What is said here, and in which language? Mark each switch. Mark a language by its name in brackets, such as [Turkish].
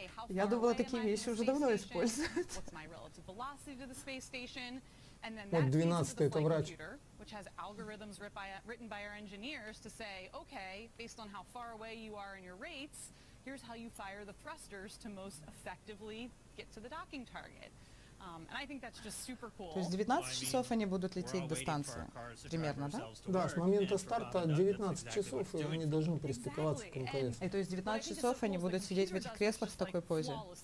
[Russian] Я думала, такие вещи уже давно используют. Вот 12-й, это врач. [English] Which has algorithms written by our engineers to say, okay, based on how far away you are in your rates, here's how you fire the thrusters to most effectively get to the docking target. And I think that's just super cool. [Russian] То есть 19 часов они будут лететь до станции, примерно, да? Да, с момента старта 19 часов, и они должны пристыковаться к МКС. И то есть 19 часов они будут сидеть в этих креслах в такой позе?